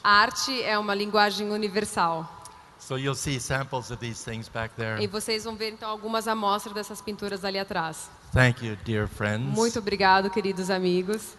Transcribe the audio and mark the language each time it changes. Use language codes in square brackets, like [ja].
[pt] A arte é uma linguagem universal. [en] So you'll see samples of these things back there. [pt] E vocês vão ver então algumas amostras dessas pinturas ali atrás. [en] Thank you, dear friends. [pt] Muito obrigado, queridos amigos.